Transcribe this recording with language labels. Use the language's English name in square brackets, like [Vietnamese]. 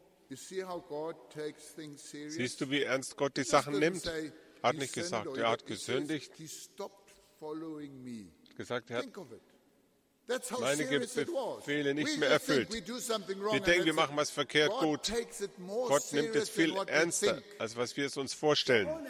[English] You see how God takes things seriously? [German] Siehst du, wie ernst Gott die Sachen nimmt? Hat nicht gesagt, er hat gesündigt. [English] He stopped following me. [German] Gesagt, er hat meine Befehle nicht mehr erfüllt. Wir denken, wir machen was verkehrt gut. Gott nimmt es viel ernster, als was wir es uns vorstellen.